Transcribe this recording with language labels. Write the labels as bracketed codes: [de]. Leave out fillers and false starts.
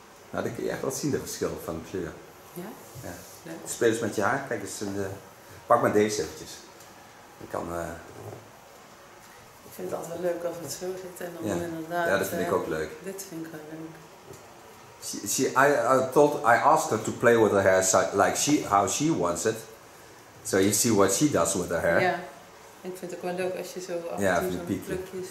[nl] Nou, dan kun je echt wel zien, de verschil van de kleur. Ja? Ja. Leuk. Speel eens met je haar. Kijk eens, pak maar deze eventjes. Dan kan... Ik vind het altijd leuk als het zo zit en dan ja. Inderdaad... Ja, dat vind ik ook leuk. Dit vind ik wel leuk. [en] I asked her to play with her hair like how she wants it. So you see what she does with her hair. [nl] Ja, ik vind het ook wel leuk als je zo af en toe zo'n plukje ziet.